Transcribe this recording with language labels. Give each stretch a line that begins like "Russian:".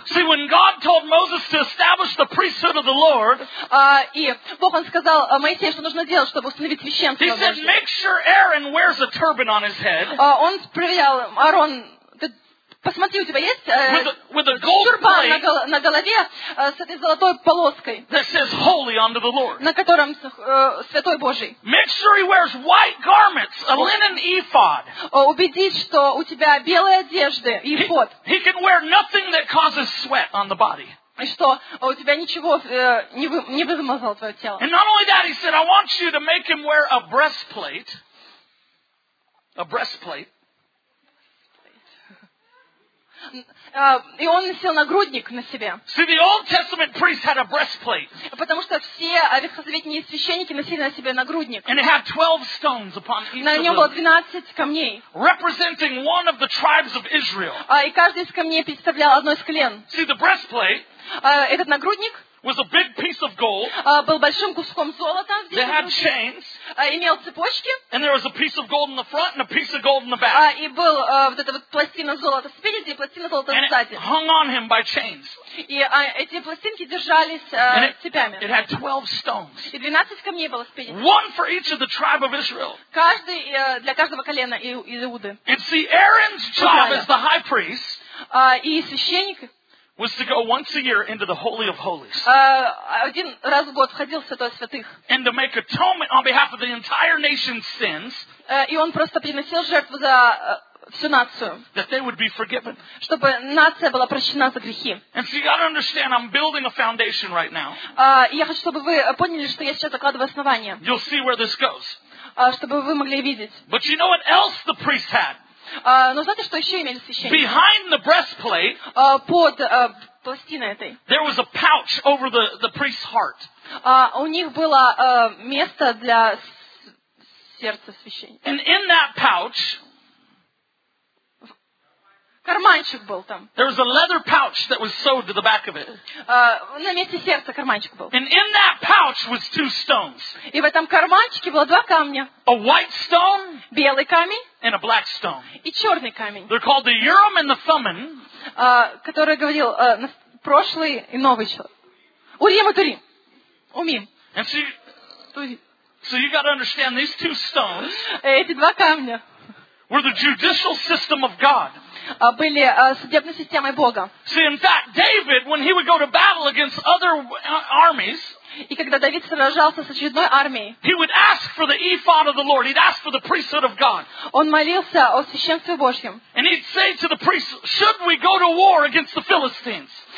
English: See, when God told Moses to establish the priesthood of the Lord,
Russian: и Бог он сказал Моисею, что нужно делать, чтобы установить священство Божье.
English: He said, make sure Aaron wears a turban on his head.
Russian: Он проверял, Аарон, посмотри, у тебя есть тюрбан на голове с этой золотой полоской,
English: that says holy unto the Lord.
Russian: На котором святой Божий.
English: Make sure he wears white garments, a linen ephod.
Russian: Убедись, что у тебя белые одежды, ephod.
English: He can wear nothing that causes sweat on the body.
Russian: И что у тебя ничего не вымазало твое тело.
English: And not only that, he said, I want you to make him wear a breastplate. A breastplate.
Russian: И он носил нагрудник на себе.
English: See, the Old Testament priest had a breastplate.
Russian: Потому что все ветхозаветные священники носили на себе нагрудник.
English: And it had 12 stones upon each of them.
Russian: На нем было 12 камней.
English: Representing one of the tribes of Israel.
Russian: И каждый из камней представлял одно из колен.
English: See, the breastplate.
Russian: Этот нагрудник.
English: Was a big piece of gold.
Russian: Был большим куском золота.
English: They had chains.
Russian: Имел цепочки.
English: And there was a piece of gold in the front and a piece of gold in the back.
Russian: И был вот эта вот пластина золота спереди и пластина золота сзади.
English: And it hung on him by chains.
Russian: И эти пластинки держались цепями.
English: It had 12 stones.
Russian: И 12 камней было спереди.
English: One for each of the tribe of Israel.
Russian: Каждый для каждого колена Иуды.
English: And see, Aaron's job as the high priest.
Russian: И священник.
English: Was to go once a year into the Holy of Holies.
Russian: Один раз в год входил в Святой Святых.
English: And to make atonement on behalf of the entire nation's sins.
Russian: И он просто приносил жертву за всю нацию.
English: That they would be forgiven.
Russian: Чтобы нация была прощена за грехи.
English: And so you got to understand, I'm building a foundation right now.
Russian: Я хочу, чтобы вы поняли, что я сейчас закладываю основание.
English: You'll see where this goes.
Russian: Чтобы вы могли видеть.
English: But you know what else the priest had?
Russian: Но знаете, что еще имели священники?
English: Behind the breastplate,
Russian: под пластиной этой,
English: there was a pouch over the priest's heart.
Russian: У них было место для сердца священника.
English: And in that pouch,
Russian: карманчик был там.
English: There was a leather pouch that was sewed to the back of it.
Russian: На месте сердца карманчик был.
English: And in that pouch was two stones.
Russian: И в этом карманчике было два камня.
English: A white stone.
Russian: Белый камень.
English: And a black stone.
Russian: И черный камень.
English: They're called the Urim and the Thummim.
Russian: Который говорил прошлый и новый человек. Урим и Турим. Умим.
English: And so you got to understand these two stones.
Russian: Эти два камня.
English: Were the judicial system of God.
Russian: Были судебной системой Бога.
English: See, in fact, David, when he would go to battle against other armies.
Russian: И когда Давид сражался с очередной армией,
English: he would ask for the ephod of the Lord. He'd ask for the priesthood of God.
Russian: Он молился о священстве Божьем.
English: And he'd say to the priest, "Should we go to war against the Philistines?"